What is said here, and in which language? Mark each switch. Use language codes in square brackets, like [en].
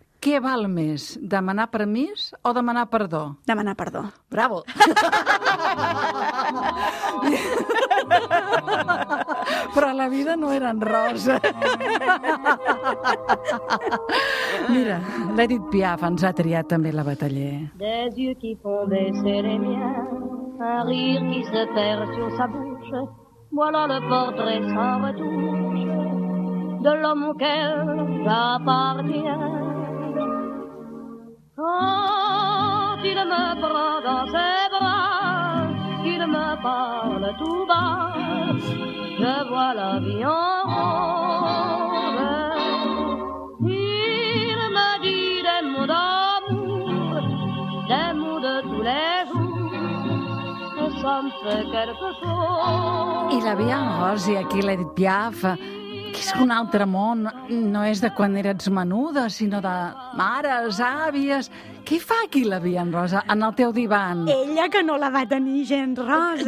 [ca] Què val més, demanar permís o demanar perdó? Demanar perdó. Bravo! Però la vida no era en rosa. Mira, l'Edit Piaf ens ha triat també la Bataller. [fr] Des yeux qui font baisser les miens, un rire qui se perd sur sa bouche, voilà le portrait sans retouche de l'homme auquel j'appartiens. Quand il me prend dans ses bras, il me parle tout bas, je vois la vie en rose. Il me dit des mots d'amour, des mots de tous les jours. [ca] I la Via en Rosi, aquí l'Edith Piaf, que és un altre món, no és de quan eres menuda, sinó de mares, àvies... Què fa aquí la Via en Rosa, en el teu divan? Ella, que no la va tenir gens rosa,